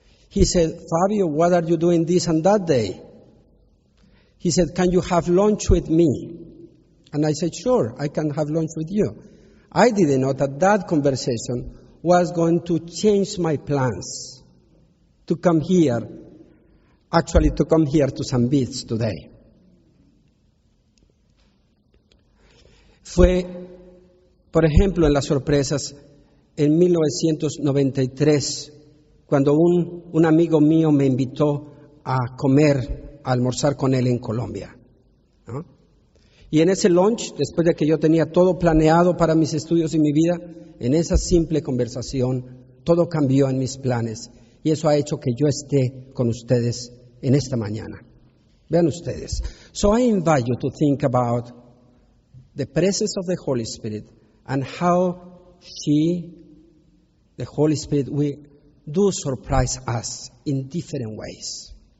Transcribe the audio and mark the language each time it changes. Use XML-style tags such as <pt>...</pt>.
<en>He said, "Fabio, what are you doing this and that day?" He said, "Can you have lunch with me?" And I said, "Sure, I can have lunch with you." I didn't know that that conversation was going to change my plans to come here, actually to come here to San Vicente today.</en> <es>Fue, por ejemplo, en las sorpresas en 1993, cuando un amigo mío me invitó a comer, a almorzar con él en Colombia, ¿no? Y en ese lunch, después de que yo tenía todo planeado para mis estudios y mi vida, en esa simple conversación, todo cambió en mis planes. Y eso ha hecho que yo esté con ustedes en esta mañana. Vean ustedes.</es> <en>So I invite you to think about the presence of the Holy Spirit and how she, the Holy Spirit, will do surprise us in different ways.</en>